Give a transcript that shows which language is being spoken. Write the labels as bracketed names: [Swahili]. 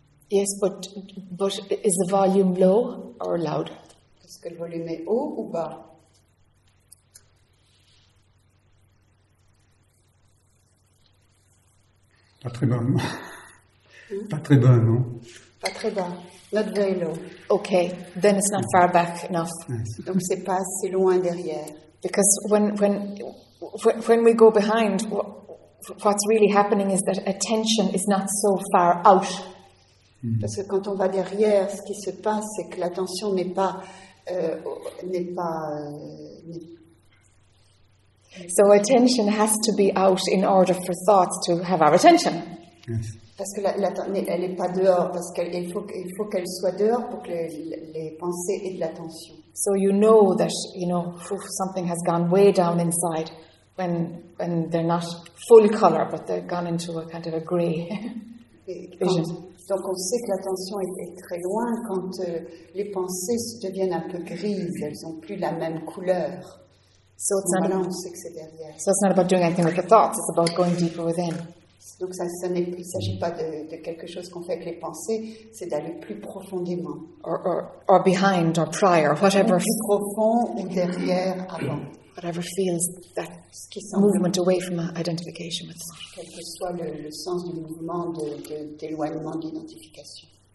[English] Yes, but is the volume low or loud? [French] Est-ce que le volume est haut ou bas? Pas très bas. Pas très bas, non? Pas très bas. [English] Not very low. Okay, then it's not far back enough. Yes. [French] Donc c'est pas si loin derrière. [English] Because when we go behind, what's really happening is that attention is not so far out. [French] Parce que quand on va derrière, ce qui se passe, c'est que l'attention n'est pas [English] So attention has to be out in order for thoughts to have our attention. Yes. [French] Parce que elle n'est pas dehors, parce qu'il faut qu'elle soit dehors pour que les pensées aient de l'attention. [English] So you know that, you know, something has gone way down inside when they're not full color, but they've gone into a kind of a gray vision. [French] Donc on sait que l'attention est très loin quand les pensées deviennent un peu grises, elles n'ont plus la même couleur. [English] So it's not about, doing anything with the thoughts, it's about going deeper within. [French] Donc il ne s'agit pas de quelque chose qu'on fait avec les pensées, c'est d'aller plus profondément. [English] Or behind, or prior, whatever. [French] Plus profond ou derrière, avant. [English] Whatever feels that movement away from identification with. [French] Quel que soit le sens du mouvement d'éloignement d'identification.